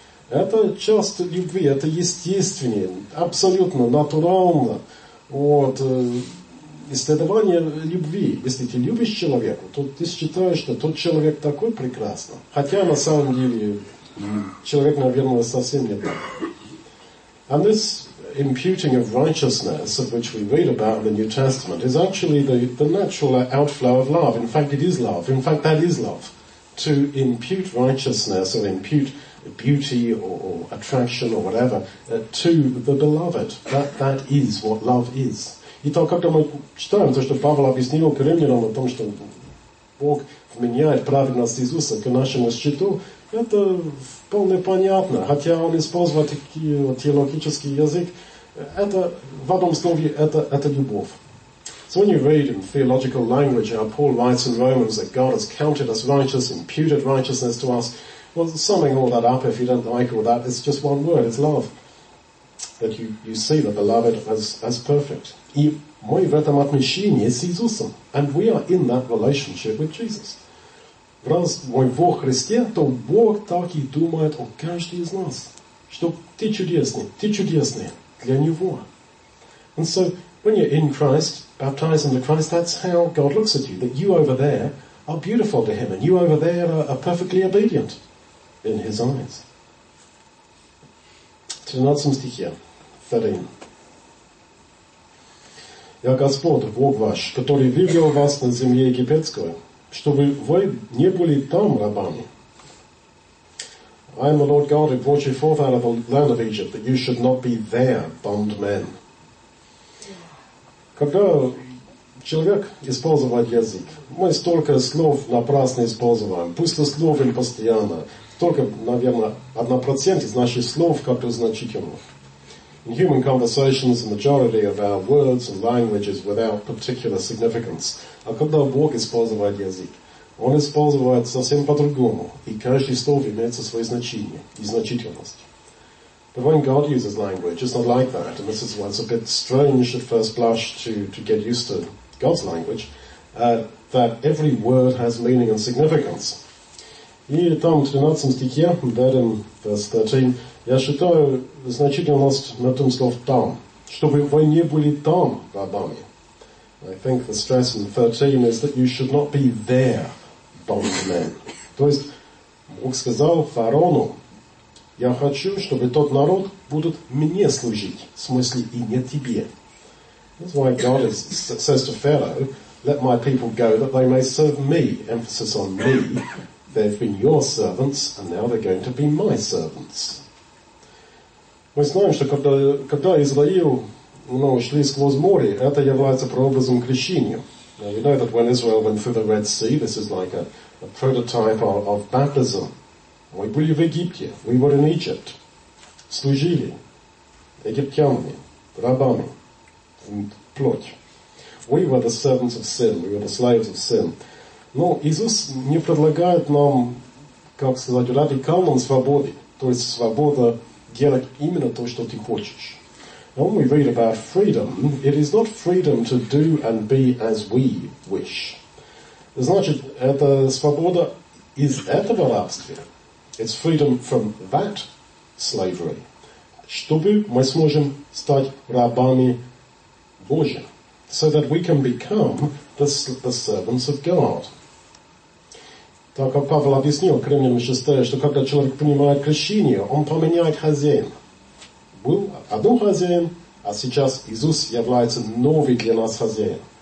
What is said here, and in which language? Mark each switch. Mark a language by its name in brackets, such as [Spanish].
[Russian] Это часть любви, это естественное, абсолютно, натурально. Вот, исследование любви. Если ты любишь человека, то ты считаешь, что тот человек такой прекрасный. Хотя на самом деле человек, наверное, совсем не так. [English] And this imputing of righteousness, of which we read about in the New Testament, is actually the natural outflow of love. In fact, it is love. In fact, that is love. To impute righteousness or impute beauty or attraction or whatever to the beloved. That is what love is. [Russian] Итак, когда мы читаем то, что Павел объяснил к римлянам о том, что Бог вменяет праведность Иисуса к нашему счету, это вполне понятно. Хотя он использовал такие теологический язык, это в одном слове это любовь. [English] So when you read in theological language how Paul writes in Romans that God has counted us righteous, imputed righteousness to us, well, summing all that up, if you don't like all that, it's just one word, it's love. That you see the beloved as perfect. [Russian] И мы в этом отношении с Иисусом. [English] And we are in that relationship with Jesus. [Russian] Раз мы во Христе, то Бог так и думает о каждой из нас. Что ты чудесный для Него. [English] And so, when you're in Christ, baptized into Christ, that's how God looks at you. That you over there are beautiful to Him. And you over there are perfectly obedient in His eyes. [Russian] 13 стихе. 13. Я Господь, Бог ваш, который вывел вас на земле египетской, чтобы вы не были там рабами. [English] I am the Lord God who brought you forth out of the land of Egypt, that you should not be there bondmen. [Russian] Когда человек использует язык, мы столько слов напрасно используем, пусть словим постоянно, только, наверное, 1% из наших слов как-то значительно. [English] In human conversations, the majority of our words and language is without particular significance. [Russian] А когда Бог использует язык, Он использует совсем по-другому, и каждое слово имеет свое значение и значительность. [English] But when God uses language, it's not like that, and this is why it's a bit strange at first blush to get used to God's language, that every word has meaning and significance. [Russian] И там в 13 стихе, [English] verse 13, [Russian] я считаю значительность на том слове «там», чтобы вы не были там рабами. [English] I think the stress in 13 is that you should not be there bondmen. [Russian] То есть, Бог сказал фараону, я хочу, чтобы тот народ будет мне служить, в смысле и не тебе. [English] That's why God says to Pharaoh, let my people go that they may serve me, emphasis on me. They've been your servants, and now they're going to be my servants. [Russian] Мы знаем, что когда Израил, шли сквозь море, это является прообразом крещения. [English] Now we know that when Israel went through the Red Sea, this is like a prototype of baptism. [Russian] Мы были в Египте, [English] we were in Egypt, [Russian] служили египтянами, рабами, плоть. [English] We were the servants of sin, we were the slaves of sin. [Russian] Но Иисус не предлагает нам, как сказать, радикальной свободы, то есть свобода делать именно то, что ты хочешь. [English] When we read about freedom, it is not freedom to do and be as we wish. [Russian] Значит, это свобода из этого рабства. [English] It's freedom from that slavery. [Russian] Чтобы мы сможем стать рабами Божьи. [English] So that we can become the servants of God. [Russian] Так как Павел объяснил к Римлянам 6, что когда человек принимает крещение, он поменяет хозяина. Был одним хозяин, а сейчас Иисус является новым для нас хозяином.